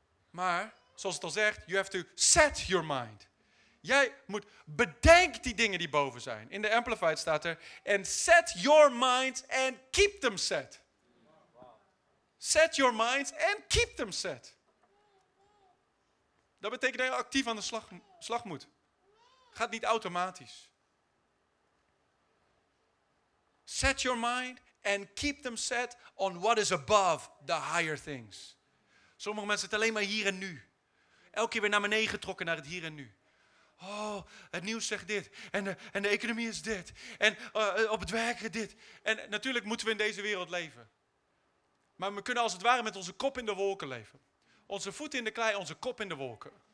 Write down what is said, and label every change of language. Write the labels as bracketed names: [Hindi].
[Dutch] Maar, zoals het al zegt, [English] you have to set your mind. [Dutch] Jij moet bedenken die dingen die boven zijn. In de Amplified staat er, [English] and set your minds and keep them set. Set your minds and keep them set. [Dutch] Dat betekent dat je actief aan de slag moet. Gaat niet automatisch. [English] Set your mind and keep them set on what is above the higher things. [Dutch] Sommige mensen het alleen maar hier en nu. Elke keer weer naar beneden getrokken naar het hier en nu. Oh, het nieuws zegt dit. En de economie is dit. En op het werken dit. En natuurlijk moeten we in deze wereld leven. Maar we kunnen als het ware met onze kop in de wolken leven. Onze voeten in de klei, onze kop in de wolken.